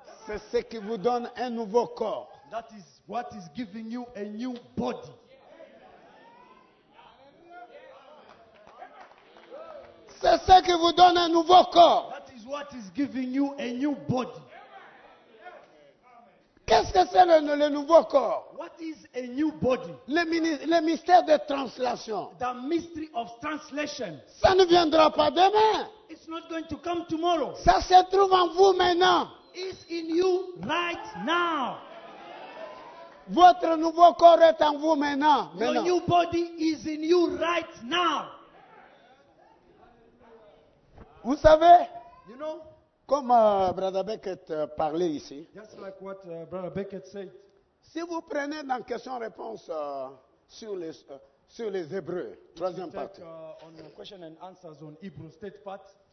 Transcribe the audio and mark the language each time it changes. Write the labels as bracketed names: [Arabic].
[French] C'est ce qui vous donne un nouveau corps. [English] That is what is giving you a new body. [French] C'est ce qui vous donne un nouveau corps. [English] That is what is giving you a new body. [French] Qu'est-ce que c'est le nouveau corps? [English] What is a new body? [French] Le mystère de translation. [English] The mystery of translation. [French] Ça ne viendra pas demain. [English] It's not going to come tomorrow. [French] Ça se trouve en vous maintenant. [English] It's in you right now. [French] Votre nouveau corps est en vous maintenant. [English] Your new body is in you right now. [French] Vous savez? [English] You know? [French] Comme Brother Beckett parlait ici. [English] Just like what Brother Beckett said. [French] Si vous prenez dans question-réponse sur les Hébreux, troisième partie. [English] On question and answers on Hebrews, third part.